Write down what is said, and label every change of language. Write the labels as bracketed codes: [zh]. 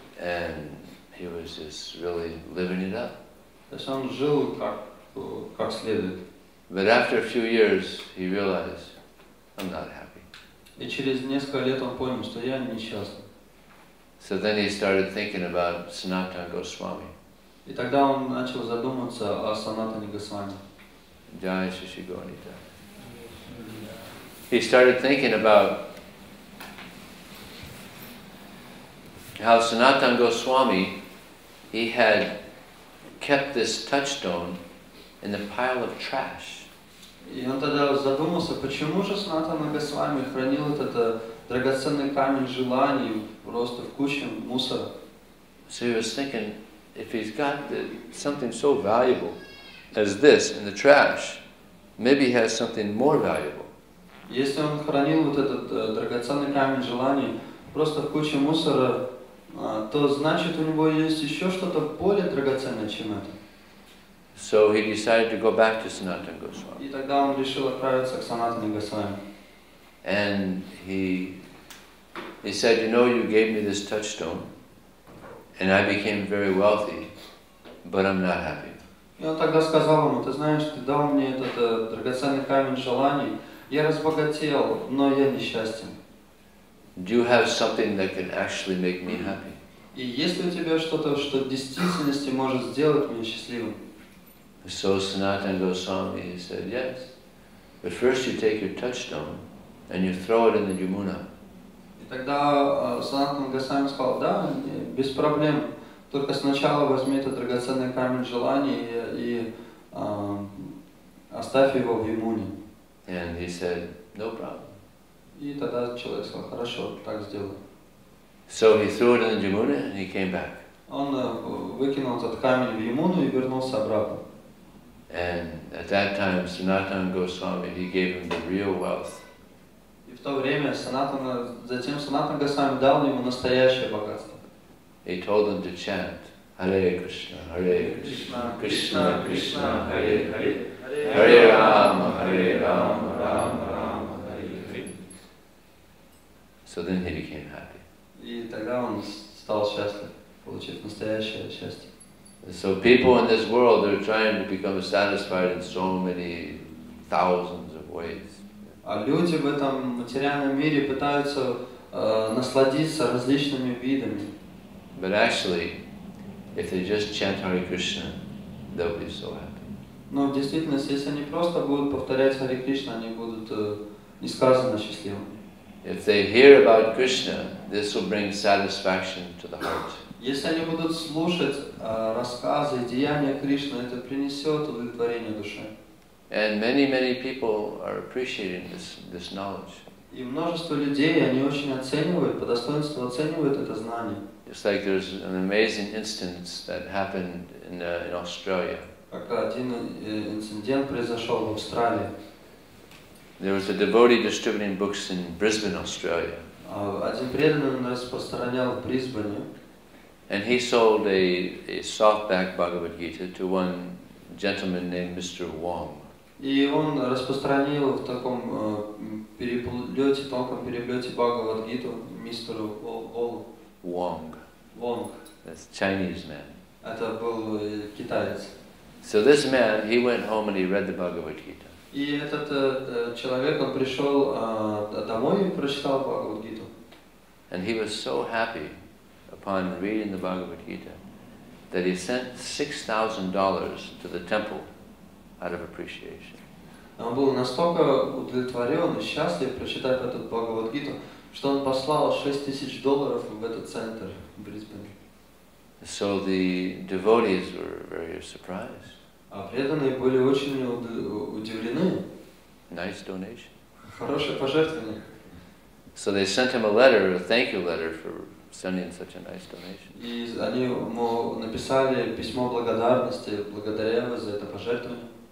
[en] And he was just really living it up. [ru] То есть он жил как следует. [en] But after a few years, he realized, "I'm not happy." [ru] И через несколько лет он понял, что я несчастлив. [en] So then he started thinking about Sanatana Goswami. [ru] И тогда он начал задумываться о Санатане Госвами. [en] Jai Shri Shri Gaurita. He started thinking about how Sanatana Goswami, he had kept this touchstone in the pile of trash. [ru] И он тогда задумался, почему же Санатана Госвами хранил этот драгоценный камень желаний просто в куче мусора. [en] So he was thinking, if he's got something so valuable as this in the trash, maybe he has something more valuable. [ru] Если он хранил вот этот драгоценный камень желаний просто в куче мусора, то значит у него есть еще что-то более драгоценное, чем это. [en] So he decided to go back to Sanatana Goswami. [ru] И тогда он решил отправиться к Санатане Госвами. [en] And he said, "You know, you gave me this touchstone, and I became very wealthy, but I'm not happy." [ru] И он тогда сказал ему, ты знаешь, ты дал мне этот драгоценный камень желаний. Я разбогател, но я несчастен. [en] Do you have something that can actually make me happy? [ru] И есть ли у тебя что-то, что в действительности может сделать меня счастливым? [en] So Sanatana Goswami said, "Yes, but first you take your touchstone and you throw it in the Yamuna." [ru] И тогда Санатана Госвами сказал, да, без проблем. Только сначала возьми этот драгоценный камень желаний и оставь его в Ямуне. [en] And he said, "No problem." [ru] И тогда человек сказал, хорошо, так сделаю. [en] So he threw it in the Yamuna and he came back. [ru] Он выкинул этот камень в Ямуну и вернулся обратно. [en] And at that time, Sanatan Goswami, he gave him the real wealth. [ru] И в то время Sanatan Goswami дал ему настоящее богатство. [en] He told them to chant Hare Krishna, Hare Krishna, Krishna Krishna, Hare Hare, Hare Rama, Hare Rama, Rama Rama, Hare Hare. So then he became happy. [ru] И тогда он стал счастлив. Получить настоящее счастье. [en] So people in this world, they're trying to become satisfied in so many thousands of ways. [ru] А люди в этом материальном мире пытаются насладиться различными видами. [en] But actually, if they just chant Hare Krishna, they'll be so happy. [ru] Но в действительности, если они просто будут повторять Hare Krishna, они будут несказанно счастливыми. [en] If they hear about Krishna, this will bring satisfaction to the heart. [ru] Если они будут слушать рассказы и деяния Кришны, это принесет удовлетворение душе. [en] And many people are appreciating this knowledge. [ru] И множество людей, они очень оценивают, по достоинству оценивают это знание. [en] It's like there's an amazing instance that happened in Australia. [ru] Как один инцидент произошел в Австралии. [en] There was a devotee distributing books in Brisbane, Australia. [ru] Один преданный распространял в Брисбене. [en] And he sold a softback Bhagavad Gita to one gentleman named Mr. Wong. [ru] И он распространил в таком переплете, тонком переплете Бхагавад Гиту мистеру Wong. Wong. [en] That's Chinese man. [ru] Это был китаец. [en] So this man, he went home and he read the Bhagavad Gita. [ru] И этот человек, он пришел домой и прочитал Бхагавад Гиту. [en] And he was so happy upon reading the Bhagavad Gita, that he sent $6,000 to the temple out of appreciation. [ru] Он был настолько удовлетворен и счастлив прочитать этот Бхагавад Гиту, что он послал $6,000 в этот центр в Брисбене. [en] So the devotees were very surprised. [ru] А преданные были очень удивлены. [en] Nice donation. [ru] Хорошее пожертвование. [en] So they sent him a letter, a thank you letter for sending such a nice donation. [ru] И они ему написали письмо благодарности, благодаря вас за это пожертвование.